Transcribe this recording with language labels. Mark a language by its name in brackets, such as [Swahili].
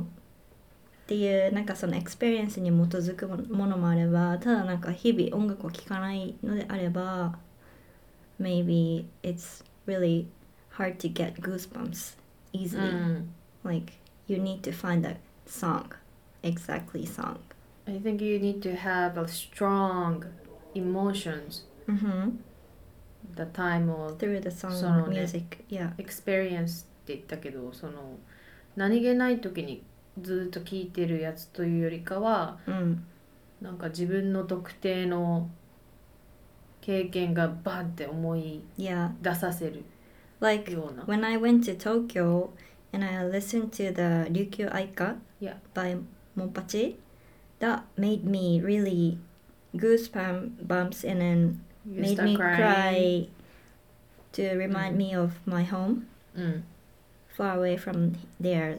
[Japanese] っていうなんかそのエクスペリエンスに基づくものもあれば、ただなんか日々音楽を聴かないのであれば、 [English] maybe it's really hard to get goosebumps easily.、Like you need to find that song, exactly song. I think you need to have a strong emotions. The time of through the song [Japanese] その、ね、 [English] music, yeah. [Japanese] Experience って言ったけど、その何気ない時にずっと聞いてるやつというよりかは、なんか自分の特定の経験がバンって思い出させるような。 [English] Yeah. Like when I went to Tokyo and I listened to the Ryukyu Aika by Monpachi, that made me really goosebumps and then you made me cry to remind me of my home far away from there.